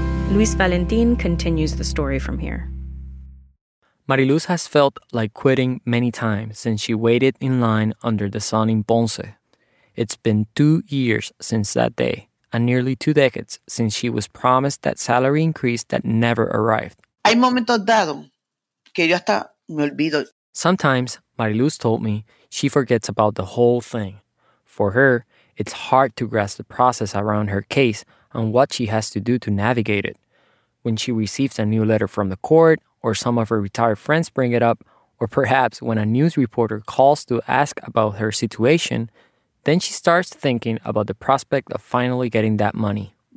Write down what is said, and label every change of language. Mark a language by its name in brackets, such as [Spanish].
[English] Luis Valentin continues the story from here. Mariluz has felt like quitting many times since she waited in line under the sun in Ponce. It's been 2 years since that day, and nearly two decades since she was promised that salary increase that never arrived. [Spanish] Hay momentos dado que yo hasta me olvido. [English] Sometimes, Mariluz told me, she forgets about the whole thing. For her, it's hard to grasp the process around her case and what she has to do to navigate it. When she receives a new letter from the court, or some of her retired friends bring it up, or perhaps when a news reporter calls to ask about her situation, then she starts thinking about the prospect of finally getting that money.